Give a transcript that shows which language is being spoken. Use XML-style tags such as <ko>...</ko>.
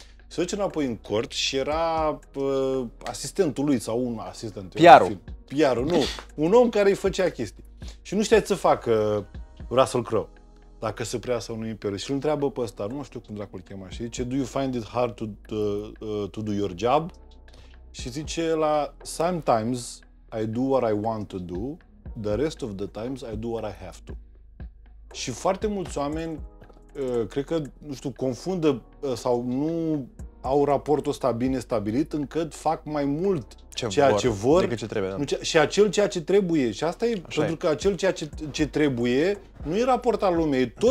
<ro>Se duce înapoi în cort și era asistentul lui sau un asistent. PR-ul. PR-ul, nu. Un om care îi făcea chestii. Și nu știa ce să facă Russell Crowe. Dacă se prea sau nu imperiu. Și îl întreabă pe ăsta, nu știu cum dracul chema, și zice,</ro> <en>do you find it hard to do your job?</en> <ro>Și zice la,</ro> <en>sometimes I do what I want to do, the rest of the times I do what I have to.</en> <ro>Și foarte mulți oameni, cred că, nu știu, confundă sau nu au raportul ăsta bine stabilit, încât fac mai mult ceea ce vor decât ce trebuie. Nu, și acel ceea ce trebuie. Și asta e, așa pentru e. Că acel ceea ce trebuie nu e raport al lumei.</ro>